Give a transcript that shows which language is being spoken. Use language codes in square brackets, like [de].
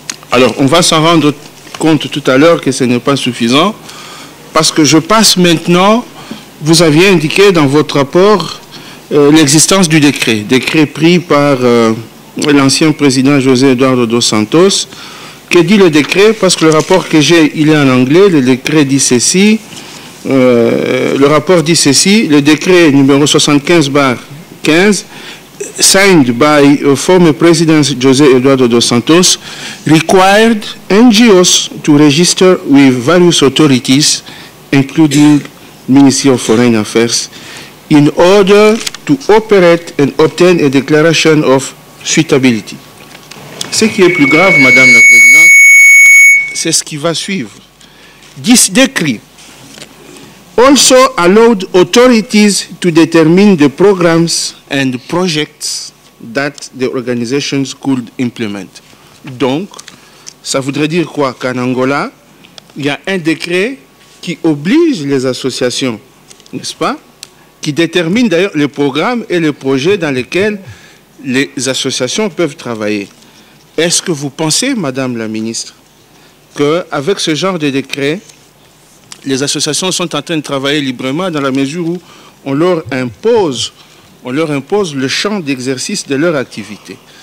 [fr] Alors, on va s'en rendre compte tout à l'heure que ce n'est pas suffisant, parce que je passe maintenant, vous aviez indiqué dans votre rapport l'existence du décret, décret pris par l'ancien président José Eduardo dos Santos. Que dit le décret? Parce que le rapport que j'ai, il est en anglais, le décret dit ceci. Le décret numéro [en] 75/15, signed by former president José Eduardo dos Santos, required NGOs to register with various authorities, including Ministry of Foreign Affairs, in order to operate and obtain a declaration of suitability. [fr] Ce qui est plus grave, Madame la Présidente, c'est ce qui va suivre. [en] This decree also allowed authorities to determine the programs and projects that the organizations could implement. [fr] Donc, ça voudrait dire quoi? Qu'en Angola, il y a un décret qui oblige les associations, n'est-ce pas? Qui détermine d'ailleurs les programmes et les projets dans lesquels les associations peuvent travailler. Est-ce que vous pensez, Madame la Ministre, qu'avec ce genre de décret, les associations sont en train de travailler librement dans la mesure où on leur impose le champ d'exercice de leur activité?